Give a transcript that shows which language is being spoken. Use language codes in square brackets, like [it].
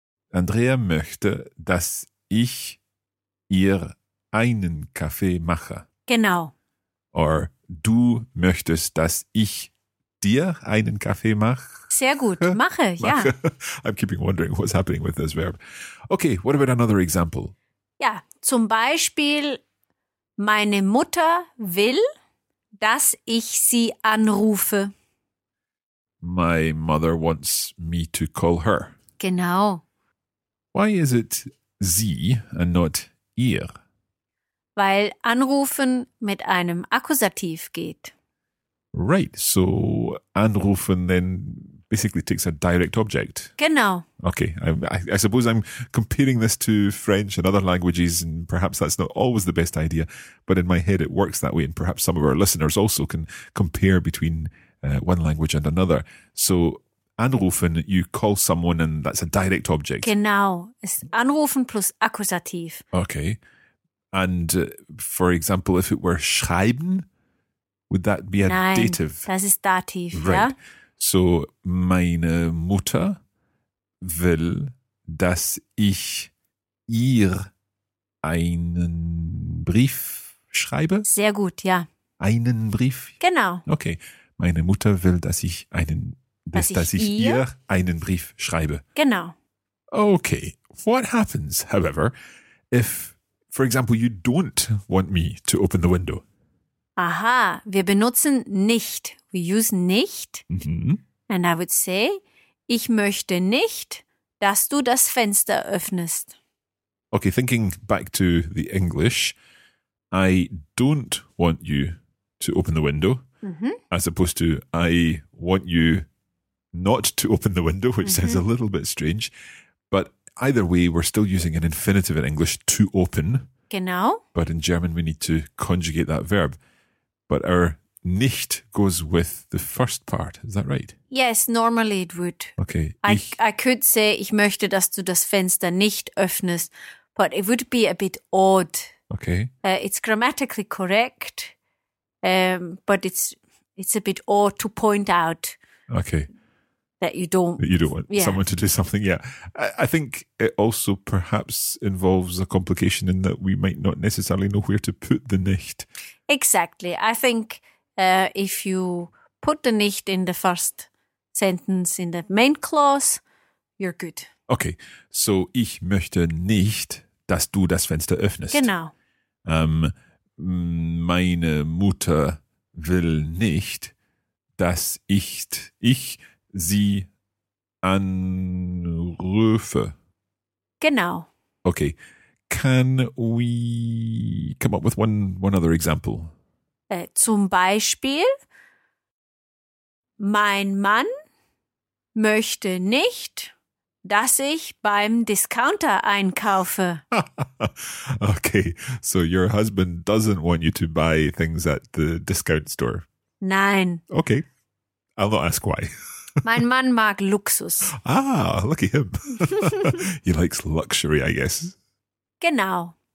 [de] Andrea möchte, dass ich ihr einen Kaffee mache. Genau. [en] Or [de] du möchtest, dass ich dir einen Kaffee mache. Sehr gut. Mache. [en] I'm keeping wondering what's happening with this verb. Okay, what about another example? [de] Ja, zum Beispiel, meine Mutter will, dass ich sie anrufe. [en] My mother wants me to call her. [de] Genau. [en] Why is it sie and not ihr? [de] Weil anrufen mit einem Akkusativ geht. [en] Right, so anrufen then basically takes a direct object. [de] Genau. [en] Okay, I suppose I'm comparing this to French and other languages, and perhaps that's not always the best idea, but in my head it works that way, and perhaps some of our listeners also can compare between one language and another. So anrufen, you call someone and that's a direct object. [de] Genau. [en] It's anrufen plus Akkusativ. Okay. And for example, if it were schreiben, would that be a dative? [de] Nein, das ist Dativ, [en] right. [de] Ja. So, meine Mutter will, dass ich ihr einen Brief schreibe. Sehr gut, ja. Einen Brief? Genau. [en] Okay. [de] Meine Mutter will, dass ich einen dass ich ihr einen Brief schreibe. Genau. [en] Okay. What happens, however, if, for example, you don't want me to open the window? [de] Aha, wir benutzen nicht. [en] We use nicht. Mm-hmm. And I would say, [de] ich möchte nicht, dass du das Fenster öffnest. [en] Okay, thinking back to the English, I don't want you to open the window, mm-hmm. as opposed to I want you not to open the window, which mm-hmm. sounds a little bit strange. But either way, we're still using an infinitive in English, to open. [de] Genau. [en] But in German, we need to conjugate that verb. But our nicht goes with the first part. Is that right? Yes, normally it would. Okay. I could say, [de] ich möchte, dass du das Fenster nicht öffnest. [en] But it would be a bit odd. Okay. It's grammatically correct. But it's a bit odd to point out. Okay. That you don't want yeah. someone to do something. Yeah. I think it also perhaps involves a complication in that we might not necessarily know where to put the nicht. Exactly. I think if you put the nicht in the first sentence in the main clause, you're good. Okay. [de] So ich möchte nicht, dass du das Fenster öffnest. Genau. Meine Mutter will nicht, dass ich sie anrufe. Genau. [en] Okay. Can we come up with one other example? [de] Zum Beispiel, mein Mann möchte nicht, dass ich beim Discounter einkaufe. [en] Okay, so your husband doesn't want you to buy things at the discount store. [de] Nein. [en] Okay, I'll not ask why. [de] Mein Mann mag Luxus. [en] Ah, look at him. He likes luxury, I guess. [de] Genau.